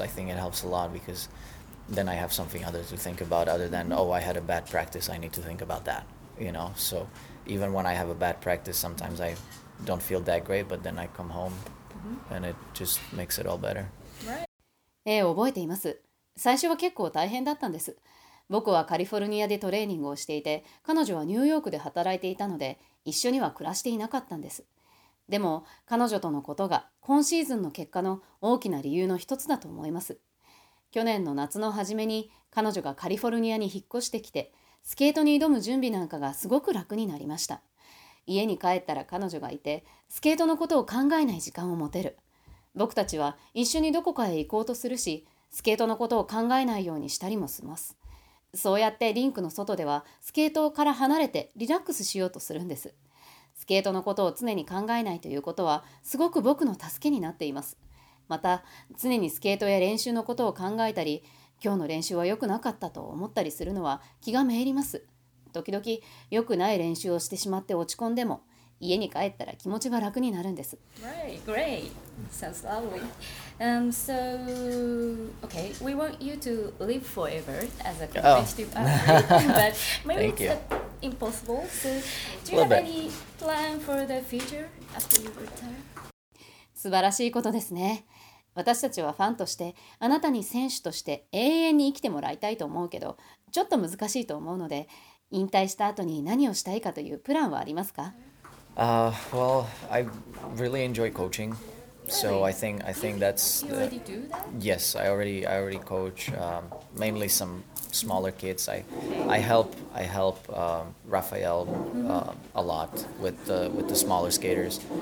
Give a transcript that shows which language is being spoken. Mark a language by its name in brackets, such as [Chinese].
[English] I think it helps a lot because then I have something other to think about other than, I had a bad practice, I need to think about that, you know? So even when I have a bad practice, sometimes I don't feel that great, but then I come home and it just makes it all better. Right. [Japanese] 覚えています。最初は結構大変だったんです。僕はカリフォルニアでトレーニングをしていて、彼女はニューヨークで働いていたので、一緒には暮らしていなかったんです。でも、彼女とのことが今シーズンの結果の大きな理由の一つだと思います。去年の夏の初めに彼女がカリフォルニアに引っ越してきて、スケートに挑む準備なんかがすごく楽になりました。家に帰ったら彼女がいて、スケートのことを考えない時間を持てる。僕たちは一緒にどこかへ行こうとするし、スケートのことを考えないようにしたりもします。そうやってリンクの外ではスケートから離れてリラックスしようとするんです。スケートのことを常に考えないということはすごく僕の助けになっています。また常にスケートや練習のことを考えたり、今日の練習は良くなかったと思ったりするのは気がめいります。時々良くない練習をしてしまって落ち込んでも、家に帰ったら気持ちが楽になるんです。 [English] Right, great. Sounds lovely. So, okay, we want you to live forever as a competitive athlete, but maybe it's impossible. So, do you have any plan for the future after you retire? [Japanese] 素晴らしいことですね。私たちはファンとして、あなたに選手として永遠に生きてもらいたいと思うけど、ちょっと難しいと思うので、引退した後に何をしたいかというプランはありますか？ [English] Well, I really enjoy coaching, so I think that's the... You already do that? Yes, I already coach mainly some smaller kids. I help Rafael a lot with the smaller skaters.